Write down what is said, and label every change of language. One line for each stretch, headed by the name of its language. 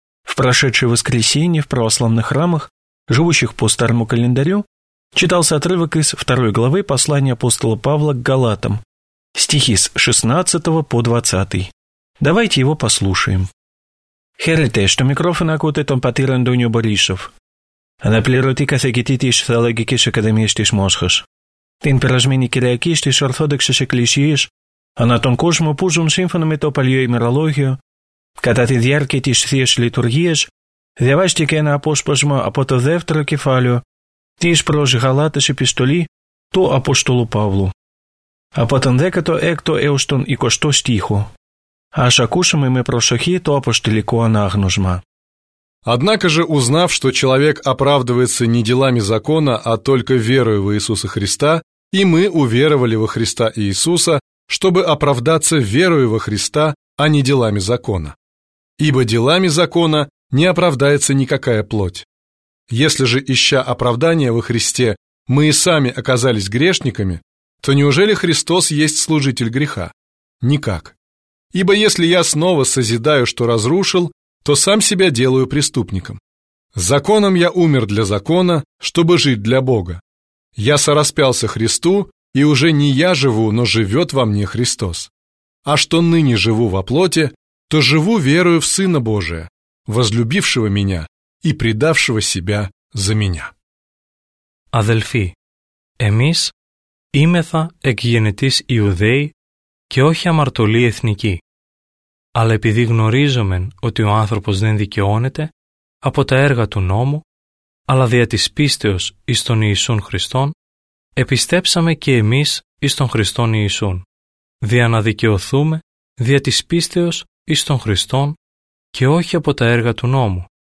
Russian: В прошедшее воскресенье в православных храмах, живущих по старому календарю, читался отрывок из 2 главы послания апостола Павла к Галатам, стихи с 16 по 20. Давайте его послушаем.
Greek: Хэрите, что микрофон акутет он патир Антонио Борисов. Αναπληρωτή καθηγητή της Θεολογικής Ακαδημίας της Μόσχας, την περασμένη Κυριακή στις Ορθόδοξες Εκκλησίες, ανά τον κόσμο που ζουν σύμφωνα με το παλιό ημερολόγιο, κατά τη διάρκεια της Θείας Λειτουργίας, διαβάστηκε ένα απόσπασμα από το δεύτερο κεφάλαιο της προς Γαλάτες Επιστολή του Αποστόλου Παύλου, από τον 16ο έως τον 20ο στίχο. Ας ακούσουμε με προσοχή το αποστολικό ανάγνωσμα.
Russian: Однако же, узнав, что человек оправдывается не делами закона, а только верою в Иисуса Христа, и мы уверовали во Христа Иисуса, чтобы оправдаться верою во Христа, а не делами закона. Ибо делами закона не оправдается никакая плоть. Если же, ища оправдания во Христе, мы и сами оказались грешниками, то неужели Христос есть служитель греха? Никак. Ибо если я снова созидаю, что разрушил, то сам себя делаю преступником. Законом я умер для закона, чтобы жить для Бога. Я сораспялся Христу, и уже не я живу, но живет во мне Христос. А что ныне живу во плоти, то живу верою в Сына Божия, возлюбившего меня и предавшего себя за меня.
Greek: Αδελφοί, εμείς είμεθα εκ γενετής Ιουδαίοι και όχι αμαρτωλοί εθνικοί. Αλλά επειδή γνωρίζομεν ότι ο άνθρωπος δεν δικαιώνεται από τα έργα του νόμου, αλλά δια της πίστεως εις τον Ιησούν Χριστόν, επιστέψαμε και εμείς εις τον Χριστόν Ιησούν, δια να δικαιωθούμε δια της πίστεως εις τον Χριστόν και όχι από τα έργα του νόμου.